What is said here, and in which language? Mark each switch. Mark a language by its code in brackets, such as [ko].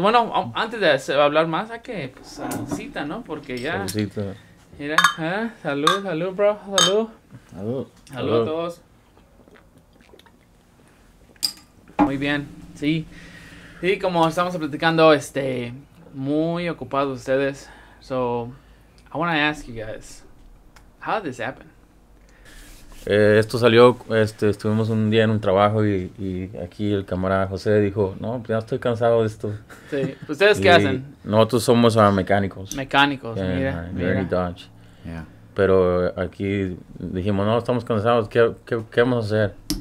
[es] Bueno, antes de hablar más, hay que pues, cita, ¿no? Porque ya. Saludcita. Mira, salud, salud, bro. Salud. Salud. Salud a todos. Muy bien. Sí, sí, como estamos platicando, muy ocupados ustedes. [en] So, I want to ask you guys, how did this happen? [es] Esto salió, estuvimos un día en un trabajo y aquí el camarada José dijo, no, ya estoy cansado de esto. Sí, ¿ustedes qué hacen? Nosotros somos mecánicos. Mecánicos, en mira. En Dodge. [en] Yeah. [es] Pero aquí dijimos, no, estamos cansados, ¿qué vamos a hacer?